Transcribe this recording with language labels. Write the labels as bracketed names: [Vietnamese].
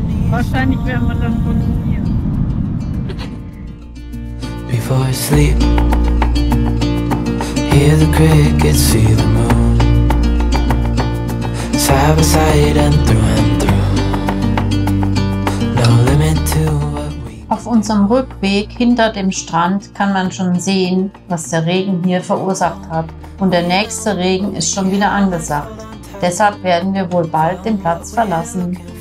[German] Wahrscheinlich werden wir dann funktionieren. [English] Before I sleep, hear the crickets, see the moon, side by side and through and through. No limit to what we. [German] Auf unserem Rückweg hinter dem Strand kann man schon sehen, was der Regen hier verursacht hat. Und der nächste Regen ist schon wieder angesagt. Deshalb werden wir wohl bald den Platz verlassen.